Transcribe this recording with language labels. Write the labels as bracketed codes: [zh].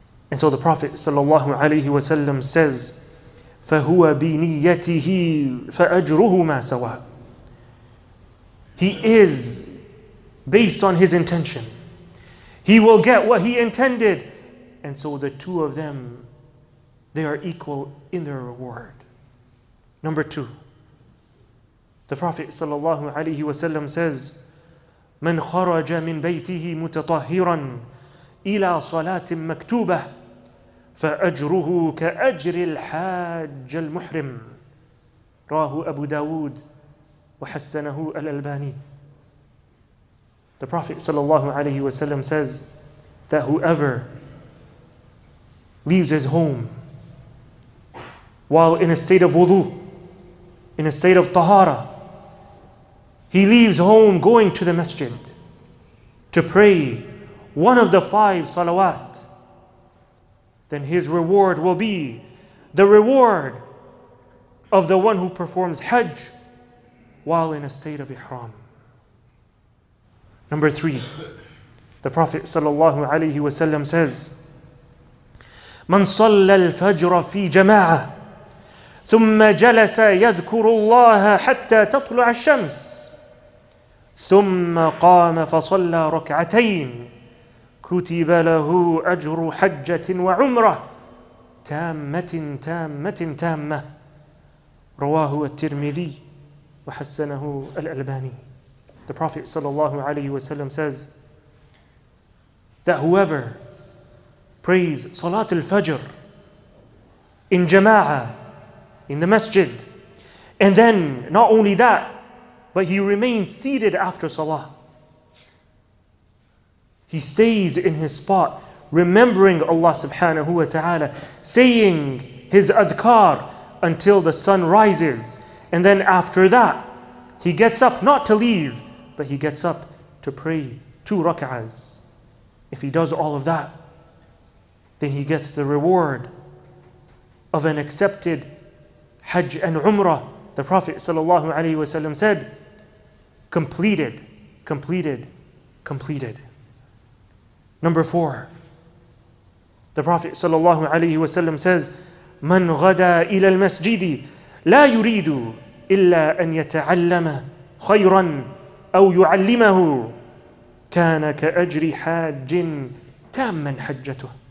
[en] And so the Prophet sallallahu alaihi wasallam says, [ar] فَهُوَ بِنِيَّتِهِ فَأَجْرُهُ مَا سَوَى. [en] He is based on his intention. He will get what he intended. And so the two of them, they are equal in their reward. Number two, the Prophet sallallahu alaihi wasallam says, [ar] مَنْ خَرَجَ مِنْ بَيْتِهِ مُتَطَهِّرًا إِلَى صَلَاةٍ مَكْتُوبَةٍ فَأَجْرُهُ كَأَجْرِ الْحَاجَّ الْمُحْرِمِ رَاهُ أَبُو دَاوُود وَحَسَّنَهُ الْأَلْبَانِي. [en] The Prophet sallallahu alaihi wasallam says that whoever leaves his home while in a state of wudu, in a state of tahara, he leaves home going to the masjid to pray one of the five salawat, then his reward will be the reward of the one who performs hajj while in a state of ihram. Number three, the Prophet sallallahu alaihi wasallam says, [ar] من صلى الفجر في جماعة ثم جلس يذكر الله حتى تطلع الشمس ثم قام فصلى ركعتين كتب له أجر حجة وعمرة تامة تامة تامة رواه الترمذي وحسنه الألباني. [en] The Prophet sallallahu alaihi wasallam says that whoever prays Salat al-Fajr in jama'ah, in the masjid, and then not only that, but he remains seated after Salah. He stays in his spot, remembering Allah subhanahu wa ta'ala, saying his adhkar until the sun rises. And then after that, he gets up not to leave, but he gets up to pray two rak'ahs. If he does all of that, then he gets the reward of an accepted hajj and umrah. The Prophet sallallahu alaihi wasallam said, completed, completed, completed. Number four, the Prophet sallallahu alaihi wasallam says, [ar] من غدا إلى المسجد لا يريد إلا أن يتعلم خيرا أو يعلمه كان كأجر حاج تاما حجته.